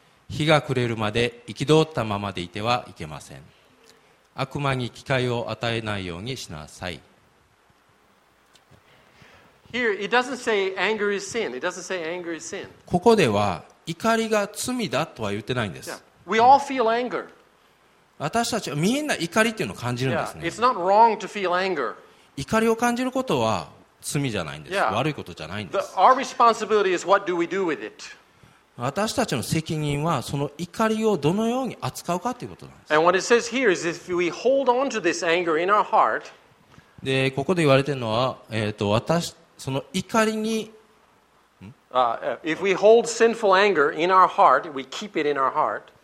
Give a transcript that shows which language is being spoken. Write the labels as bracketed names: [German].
[Japanese] 日が暮れるまで憤ったままでいてはいけません。悪魔に機会を与えないようにしなさい。 [English] Here it doesn't say anger is sin. It doesn't say anger is sin. [Japanese] ここでは怒りが罪だとは言ってないんです。 [English] Yeah. We all feel anger. [Japanese] 私たちはみんな怒りっていうのを感じるんですね。 [English] Yeah. It's not wrong to feel anger. [Japanese] 怒りを感じることは罪じゃないんです。Yeah. 悪いことじゃないんです。 [English] Our responsibility is what do we do with it? [Japanese] 私たちの責任はその怒りをどのように扱うかっていうことなんです。 [English] And what it says here is if we hold on to this anger in our heart, [Japanese] でここで言われてるのは、私その怒りに、 [English] if we hold sinful anger in our heart, we keep it in our heart.